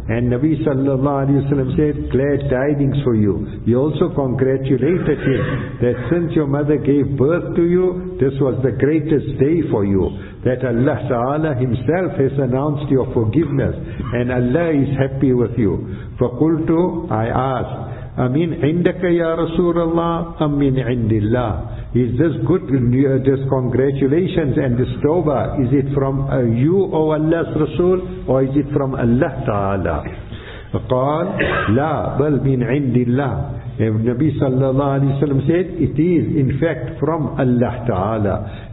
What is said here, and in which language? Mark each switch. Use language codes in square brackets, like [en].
[en] And Nabi sallallahu alayhi wa sallam said, glad tidings for you. He also congratulated him that since your mother gave birth to you, this was the greatest day for you. That Allah Ta'ala Himself has announced your forgiveness and Allah is happy with you. [ar] فَقُلْتُ, [en] I asked, [ar] أَمِنْ عِنْدَكَ يَا رَسُولَ اللَّهِ أَمْ مِنْ عِنْدِ اللَّهِ. [en] Is this good, this congratulations and this tawbah, is it from you, O Allah's Rasul, or is it from Allah Ta'ala? [ar] قال لا بل من عند الله. [en] And Nabi sallallahu alayhi wa sallam said, it is in fact from Allah Ta'ala.